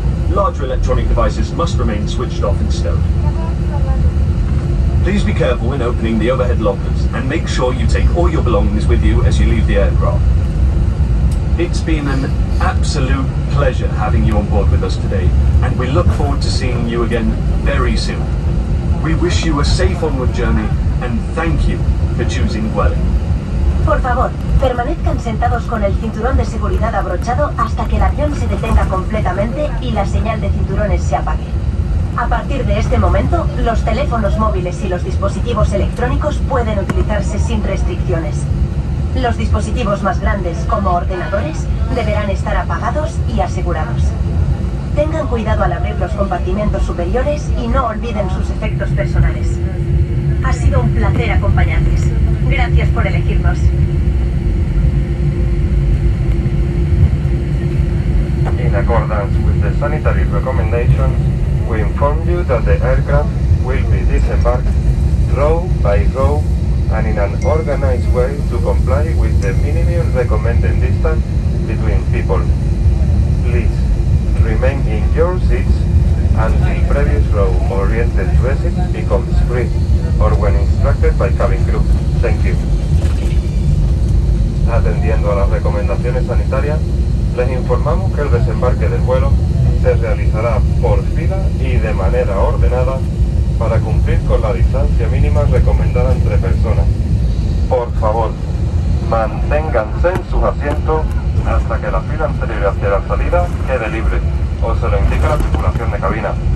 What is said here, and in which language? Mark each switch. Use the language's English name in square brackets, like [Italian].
[English] Larger electronic devices must remain switched off and stowed. Please be careful when opening the overhead lockers and make sure you take all your belongings with you as you leave the aircraft. It's been an absolute pleasure having you on board with us today, and we look forward to seeing you again very soon. We wish you a safe onward journey, and thank you for choosing Vueling. [Spanish] Por favor, permanezcan sentados con el cinturón de seguridad abrochado hasta que el avión se detenga completamente y la señal de cinturones se apague. A partir de este momento, los teléfonos móviles y los dispositivos electrónicos pueden utilizarse sin restricciones. Los dispositivos más grandes, como ordenadores, deberán estar apagados y asegurados. Tengan cuidado al abrir los compartimentos superiores y no olviden sus efectos personales. Ha sido un placer acompañarles. Gracias por elegirnos. [English] In accordance with the sanitary recommendations, we inform you that the aircraft will be disembarked row by row and in an organized way to comply with the minimum recommended distance between people. Please remain in your seats until previous row oriented to exit becomes free or when instructed by cabin crew. Thank you. [Spanish] Atendiendo a las recomendaciones sanitarias, les informamos que el desembarque del vuelo se realizará por fila y de manera ordenada para cumplir con la distancia mínima recomendada entre personas. Por favor, manténganse en sus asientos hasta que la fila anterior hacia la salida quede libre o se lo indica la tripulación de cabina.